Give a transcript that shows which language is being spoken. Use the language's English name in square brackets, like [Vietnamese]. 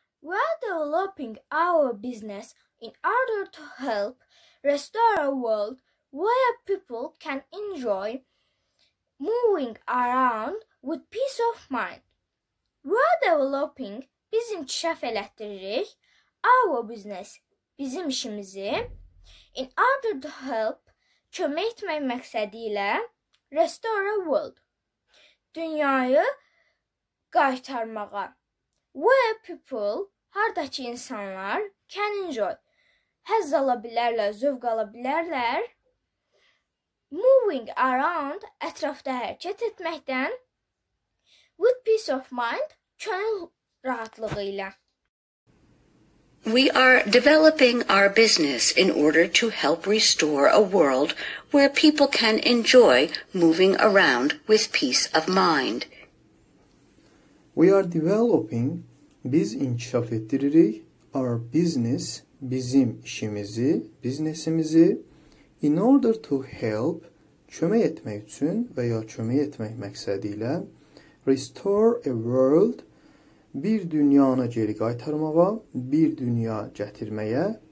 [English] We are developing our business in order to help restore a world where people can enjoy moving around with peace of mind. We are developing, [Azerbaijani] biz inkişaf elətdiririk, [English] our business, [Azerbaijani] bizim işimizi, [English] in order to help, [Azerbaijani] kömək etmək məqsədi ilə, [English] restore a world, [Azerbaijani] dünyayı qaytarmağa. [English] Where people, [Azerbaijani] hardakı insanlar, [English] can enjoy, [Azerbaijani] həzz ala bilərlər, zövq ala bilərlər, [English] moving around, [Azerbaijani] ətrafda hərəkət etməkdən, [English] with peace of mind, [Azerbaijani] könül rahatlığı ilə. [English] We are developing our business in order to help restore a world where people can enjoy moving around with peace of mind. We are developing, [Azerbaijani] biz inkişaf etdiririk, [English] our business, [Azerbaijani] bizim işimizi, biznesimizi, [English] in order to help, [Azerbaijani] kömək etmək üçün və ya kömək etmək məqsədilə, [English] restore a world, [Azerbaijani] bir dünyanı geri qaytarmağa, bir dünya gətirməyə,